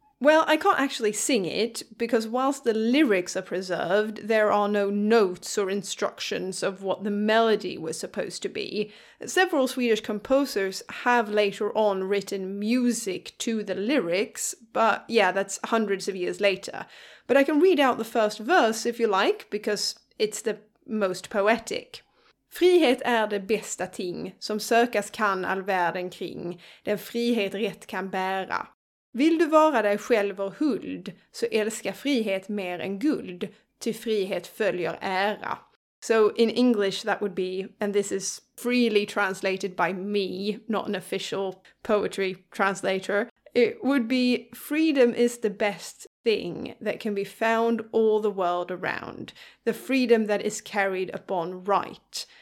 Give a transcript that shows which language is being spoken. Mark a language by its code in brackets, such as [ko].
[en] Well, I can't actually sing it, because whilst the lyrics are preserved, there are no notes or instructions of what the melody was supposed to be. Several Swedish composers have later on written music to the lyrics, but yeah, that's hundreds of years later. But I can read out the first verse if you like, because it's the most poetic. [sv] Frihet är det bästa ting som sökas kan all världen kring, den frihet rätt kan bära. Vill du vara dig själv och huld, så älska frihet mer än guld, till frihet följer ära. [en] So in English that would be, and this is freely translated by me, not an official poetry translator, it would be, freedom is the best thing that can be found all the world around, the freedom that is carried upon right.